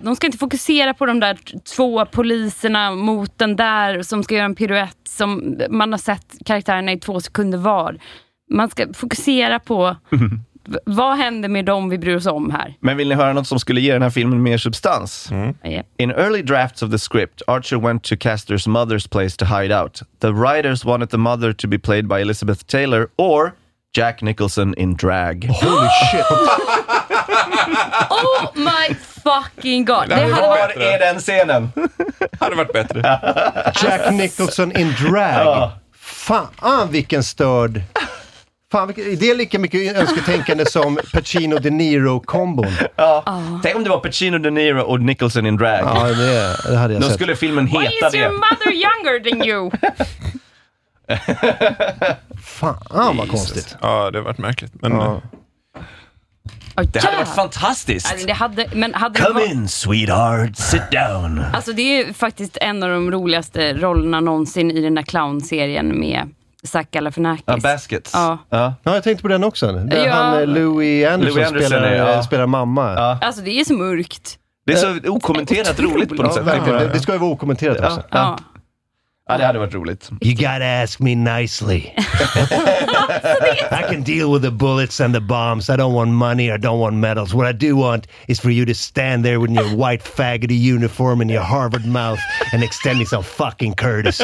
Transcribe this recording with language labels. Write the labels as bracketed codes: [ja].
[sv] De ska inte fokusera på de där två poliserna mot den där som ska göra en piruett som man har sett karaktärerna i 2 sekunder var. Man ska fokusera på vad händer med dem vi bryr oss om här? Men vill ni höra något som skulle ge den här filmen mer substans? Mm. Yeah. [en] In early drafts of the script, Archer went to Caster's mother's place to hide out. The writers wanted the mother to be played by Elizabeth Taylor or Jack Nicholson in drag. Holy shit. Oh my fucking god. [sv] Det hade varit bättre. Var är den scenen? Hade varit bättre. Jack Nicholson in drag. Ja. Fan vilken störd. Fan, det är lika mycket önsketänkande som Pacino De Niro kombon. Ja. Oh. Tänk om det var Pacino De Niro och Nicholson in drag. Ja, det hade jag då sett. Skulle filmen heta [en] det. Why is your mother younger than you? [sv] Fan vad konstigt. Ja, det har varit märkligt. Men, ja. Det hade varit fantastiskt. Alltså, det hade, men hade [en] come in sweetheart, sit down. [sv] Alltså det är faktiskt en av de roligaste rollerna någonsin i den där clownserien med Zac Galifianakis. Ja, Baskets. Ja. Ja, jag tänkte på den också. Där ja. Han Louis Anderson, spelar mamma. Ja. Alltså det är så mörkt. Det är så okommenterat är roligt på något sätt. Verkligen. Det ska ju vara okommenterat också. Ja. Ja, det hade varit roligt. [en] You gotta ask me nicely. I can deal with the bullets and the bombs. I don't want money, I don't want medals. What I do want is for you to stand there with your white faggoty uniform and your Harvard mouth and extend me some fucking courtesy.